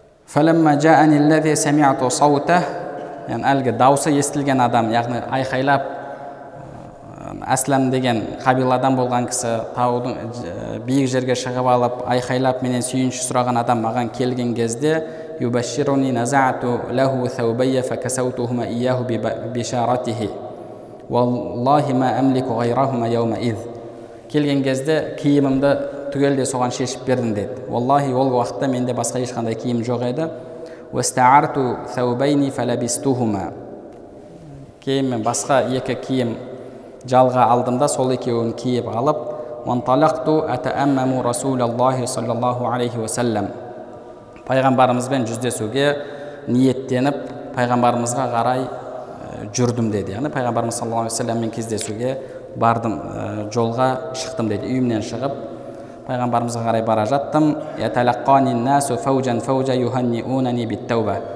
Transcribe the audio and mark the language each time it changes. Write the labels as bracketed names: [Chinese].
[Arabic] فَلَمَّا جَاءَنِ الَّذِي سَمِعْتُ صَوْتَهُ, [Kazakh] яғни әлгі даусы естілген адам, яғни айқайлап әслам деген қабиладан болған кісі, таудың биік жерге шығып алып айқайлап менен сүйінші сұраған адам маған келген кезде, [Arabic] يبشرني نزعت له ثوبي فكسوتهما إياه ببشارته والله ما أملك غيرهما يومئذ. [Kazakh] келген кезде киімімді түгелде соған шешіп бердім деді. والله ол уақытта менде басқа ешқандай киім жоқ еді. [Arabic] واستعرت ثوبين فلبستهما. [Kazakh] киімімді басқа екі киім жалға алдым да сол екеуін киіп алып, [Arabic] وانطلقت أتأمم رسول الله صلى الله عليه وسلم. [Kazakh] пайғамбарымызбен жүздесуге ниеттеніп пайғамбарымызға қарай жүрдім деді. Яғни пайғамбарымыз саллаллаху алейхи вассаламмен кездесуге бардым, жолға шықтым деді. Үйімнен шығып пайғамбарымызға қарай бара жаттым. [Arabic] Яталаққани насу фаужан фаужа юханниунани биттауба.